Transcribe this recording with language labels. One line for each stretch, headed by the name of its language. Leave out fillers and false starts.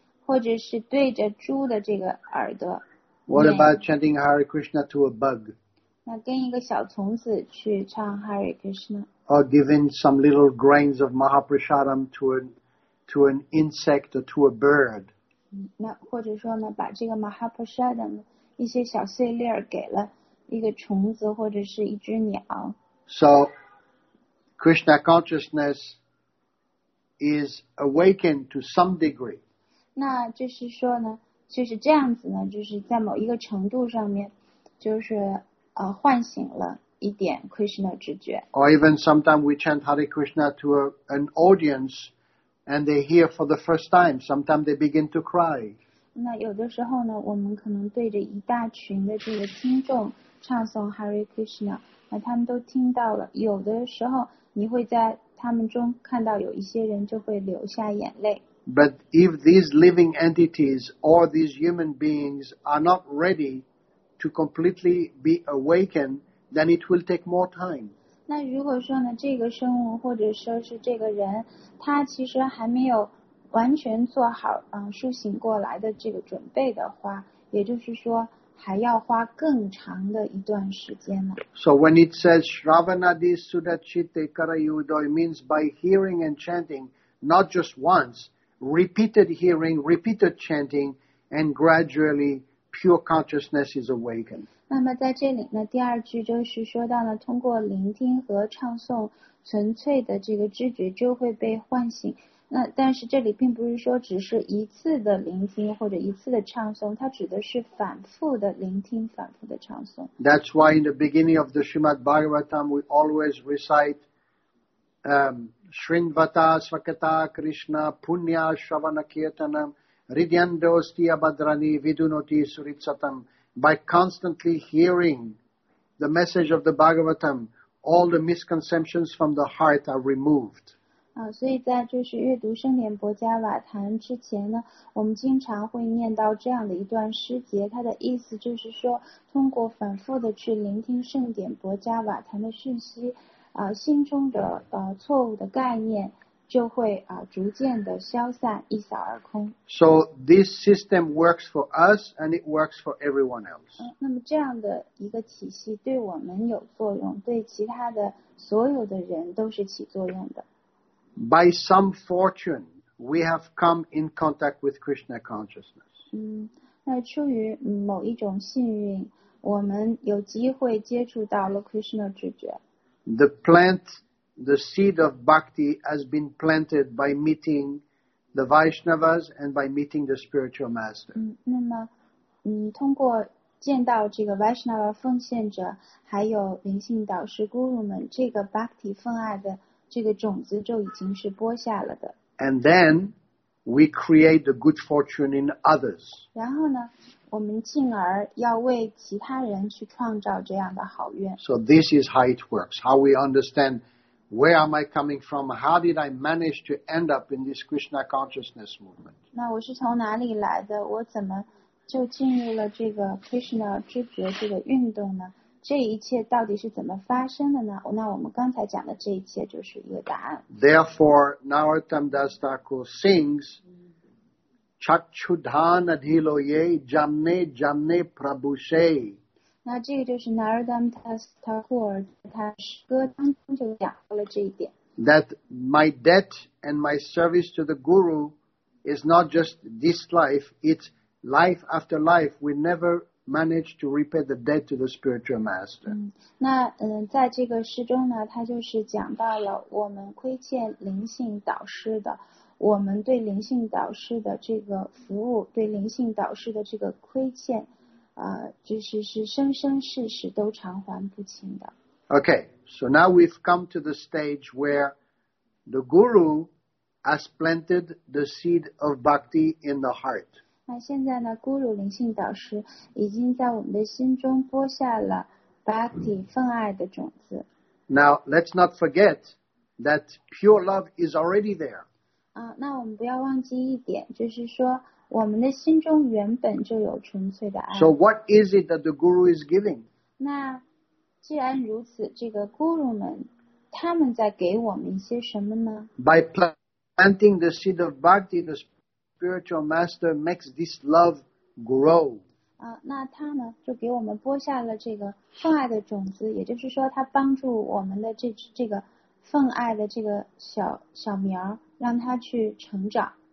Chinese: 或者是对着猪的这个耳朵。
English: What about chanting Hare Krishna to a bug？
Chinese: 那跟一个小虫子去唱 Hare Krishna，
English: or giving some little grains of Mahaprasadam to an insect or to a bird？
Chinese: 那或者说呢，把这个 Mahaprasadam 一些小碎粒儿给了。
English: So, Krishna consciousness is awakened to some degree.
Chinese: 那就是说呢，就是这样子呢，就是在某一个程度上面，就是唤醒了。一点 Krishna 直觉。
English: Or even sometimes we chant Hare Krishna to an audience, and they hear for the first time. Sometimes they begin to cry.
Chinese: 那有的时候呢，我们可能对着一大群的这个听众唱诵 Hare Krishna， 那他们都听到了。有的时候你会在他们中看到有一些人就会流下眼泪。
English: But if these living entities or these human beings are not ready to completely be awakened, then it will take more time.
Chinese: 那如果说呢，这个生物或者说是这个人，他其实还没有完全做好苏醒过来的这个准备的话，也就是说还要花更长的一段时间呢。
English: So when it says
Sanskrit: Shravanadi Sudachite Karayudo,
English: it means by hearing and chanting, not just once. Repeated hearing, repeated chanting, and gradually pure consciousness is awakened.
Chinese: 那么在这里呢，第二句就是说到了通过聆听和唱诵，纯粹的这个知觉就会被唤醒。那但是这里并不是说只是一次的聆听或者一次的唱诵，它指的是反复的聆听，反复的唱诵。
English: That's why in the beginning of the Srimad Bhagavatam, we always recite.
Sanskrit: Shrinvata Svakata Krishna Punya Shravana Kirtanam Ridyandosti Abhadrani Vidunoti Suritsatam.
English: By constantly hearing the message of the Bhagavatam, all the misconceptions from the heart are removed.
Chinese: 所以在就是阅读圣典薄伽瓦坛之前呢，我们经常会念到这样的一段诗节，它的意思就是说，通过反复的去聆听圣典薄伽瓦坛的讯息。心中的错误的概念就会逐渐的消散，一扫而空。
English: So this system works for us, and it works for everyone else.
Chinese: 那么这样的一个体系对我们有作用，对其他的所有的人都是起作用的。
English: By some fortune, we have come in contact with Krishna consciousness.
Chinese: 那出于某一种幸运，我们有机会接触到了 Krishna 知觉。
English: The plant, the seed of bhakti has been planted by meeting the Vaishnavas and by meeting the spiritual master.
Chinese: 那么通过见到这个 Vaishnava 奉献者还有灵性导师 Guru 们，这个 bhakti 奉爱的这个种子就已经是播下了的。
English: And then we create the good fortune in others.
Chinese: 然后呢我们进而要为其他人去创造这样的好愿。
English: So this is how it works. How we understand where am I coming from? How did I manage to end up in this Krishna consciousness movement?
Chinese: 那我是从哪里来的？我怎么就进入了这个 Krishna 知觉这个运动呢？这一切到底是怎么发生的呢？那我们刚才讲的这一切就是一个答案。
English: Therefore, Narottam Das Thakur sings.
Bangla: Chakshudhana Dhiloye Jamne Jamne Prabhushe.
Chinese: 那这个就是 Narottam Das Thakur 他歌当中就讲到了这一点。
English: That my debt and my service to the Guru is not just this life, it's life after life. We never manage to repay the debt to the spiritual master.
Chinese: 在这个诗中呢，他就是讲到了我们亏欠灵性导师的。我们对灵性导师的这个服务，对灵性导师的这个亏欠，就是生生世世都偿还不清的。
English: Okay, so now we've come to the stage where the guru has planted the seed of bhakti in the heart.
Chinese: 那现在呢，guru灵性导师已经在我们的心中播下了 bhakti 奉爱的种子。
English: Now let's not forget that pure love is already there.
Chinese: 那我们不要忘记一点，就是说我们的心中原本就有纯粹的爱。
English: So what is it that the guru is giving?
Chinese: 那既然如此，这个 guru 们他们在给我们一些什么呢？
English: By planting the seed of bhakti, the spiritual master makes this love grow.
Chinese: 那他呢就给我们播下了这个奉爱的种子，也就是说他帮助我们的这个奉爱的这个小苗让他去成长。